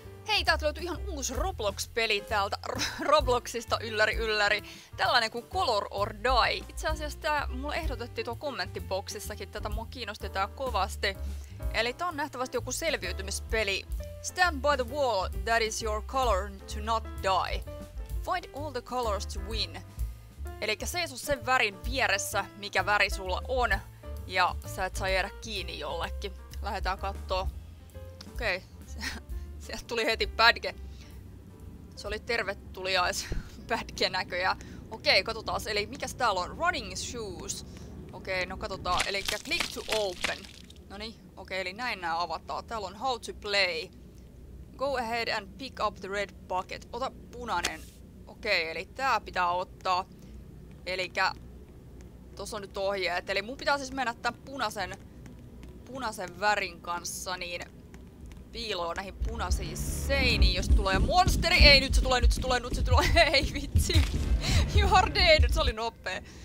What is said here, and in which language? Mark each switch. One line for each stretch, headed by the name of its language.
Finnish: Hei, täältä löytyy ihan uusi Roblox-peli täältä Robloxista, ylläri ylläri. Tällainen kuin Color or Die. Itse asiassa tää mulle ehdotettiin tuo kommenttiboksissakin, tätä mua kiinnosti tää kovasti. Eli tää on nähtävästi joku selviytymispeli.
English: Stand by the wall, that is your color to not die. Find all the colors to win.
Finnish: Eli seiso sen värin vieressä, mikä väri sulla on, ja sä et saa jäädä kiinni jollekin. Lähdetään kattoo. Okei. Sieltä tuli heti badge. Se oli tervetuliais badge näköjä. Okei, katsotaas. Eli mikäs täällä on? Running shoes. Okei, no katsotaan. Eli click to open. Noniin. Okei, eli näin nää avataan. Täällä on how to play.
English: Go ahead and pick up the red bucket.
Finnish: Ota punainen. Okei, eli tää pitää ottaa. Elikkä tossa on nyt ohjeet. Eli mun pitää siis mennä tän punaisen värin kanssa, niin piiloo näihin punaisiin seiniin, jos tulee monsteri. Ei, nyt se tulee, nyt se tulee, nyt se tulee. Hei, vitsi.
English: You are dead.
Finnish: Se oli nopee.